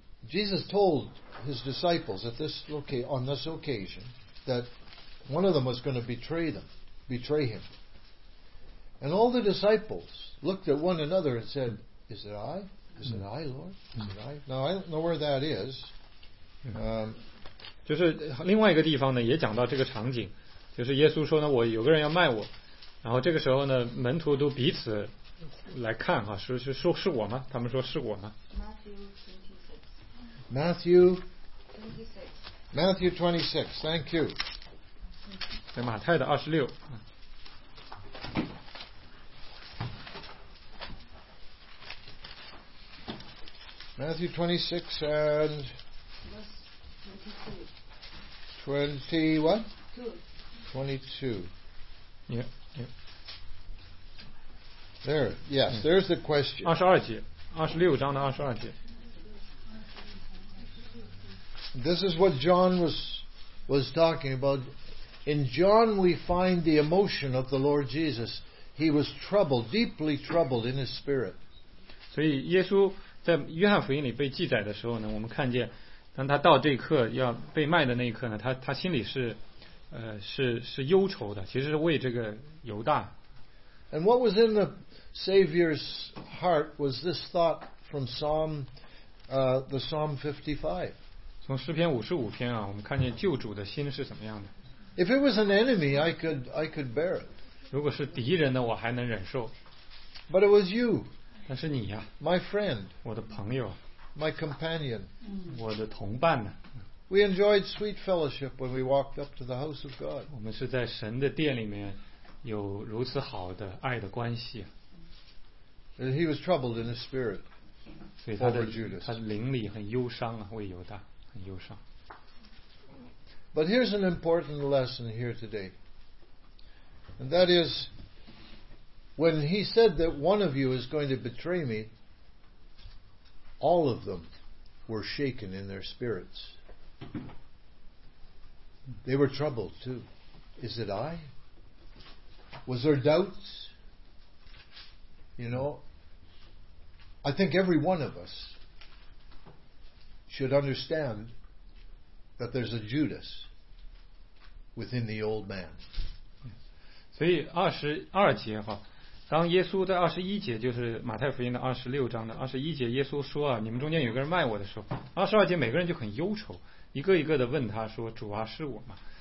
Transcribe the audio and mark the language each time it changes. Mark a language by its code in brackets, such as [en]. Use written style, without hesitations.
[en] Jesus told his disciples at this on this occasion that one of them was going to betray him. And all the disciples looked at one another and said, Is it I? Is it I, Lord? Is it I? Now, I don't know where that is. [zh] 就是另外一个地方呢，也讲到这个场景，就是耶稣说呢，我有个人要卖我，然后这个时候呢，门徒都彼此来看哈，是我吗？他们说是我吗？ [en] Matthew 26, thank you. [zh] 在马太的二十六。 [en] Matthew 26 and 22. Yeah, yeah. There, yes, there's the question. [zh] 二十二节，二十六章的二十二节。 [en] This is what John was talking about. In John, we find the emotion of the Lord Jesus. He was troubled, deeply troubled in his spirit. [zh] 所以耶稣在约翰福音里被记载的时候呢，我们看见，当他到这一刻要被卖的那一刻呢，他心里是忧愁的，其实是为这个犹大。 [en] And what was in the Savior's heart was this thought from Psalm 55. [zh] 从诗篇五十五篇啊，我们看见救主的心是怎么样的。 [en] If it was an enemy, I could bear it. [zh] 如果是敌人呢，我还能忍受。 [en] But it was you. [zh] 但是你呀。 [en] My friend. [zh] 我的朋友。 [en] My companion. [zh] 我的同伴呢。 [en] We enjoyed sweet fellowship when we walked up to the house of God. [zh] 我们是在神的殿里面有如此好的爱的关系。 [en] And he was troubled in his spirit. [zh] 所以他的灵里很忧伤啊，为犹大很忧伤。 [en] But here's an important lesson here today. And that is, when he said that one of you is going to betray me, all of them were shaken in their spirits. They were troubled too. Is it I? Was there doubts? You know, I think every one of us should understand that there's a Judas within the old man. [zh] 所以二十二节哈，当耶稣在二十一节，就是马太福音的二十六章的二十一节，耶稣说啊，你们中间有个人卖我的时候，二十二节每个人就很忧愁，一个一个的问他说，主啊，是我吗？